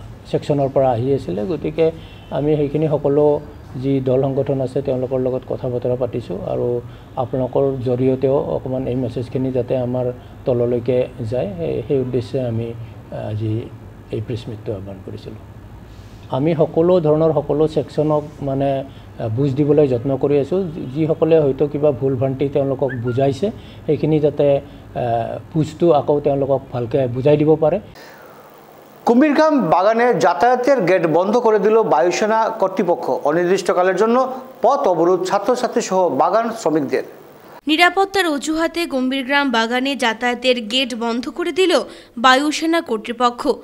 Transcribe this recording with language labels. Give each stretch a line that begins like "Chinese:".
Assamese: সেকশনের পৰা আহি আছিলে, গতিকে আমি সেইখানে সকলো যি দল সংগঠন আছে তেওঁলোকৰ লগত কথা বতৰা পাতিছোঁ আৰু আপোনালোকৰ জৰিয়তেও অকণমান এই মেছেজখিনি যাতে আমাৰ তললৈকে যায় সেই উদ্দেশ্যে আমি আজি এই প্ৰেছ মিটটো আহ্বান কৰিছিলোঁ। আমি সকলো ধৰণৰ সকলো ছেকশ্যনক মানে বুজ দিবলৈ যত্ন কৰি আছোঁ, যিসকলে হয়তো কিবা ভুল ভ্ৰান্তি তেওঁলোকক বুজাইছে সেইখিনি যাতে বুজটো আকৌ তেওঁলোকক ভালকৈ বুজাই দিব পাৰে।
Bangla: কুমিরগাম বাগানে যাতায়াতের গেট বন্ধ করে দিল বায়ুসেনা কর্তৃপক্ষ, অনির্দিষ্টকালের জন্য পথ অবরোধ ছাত্রছাত্রী সহ বাগান শ্রমিকদের। নিরাপত্তার অজুহাতে কুমিরগ্রাম বাগানে যাতায়াতের গেট বন্ধ করে দিল বায়ুসেনা কর্তৃপক্ষ,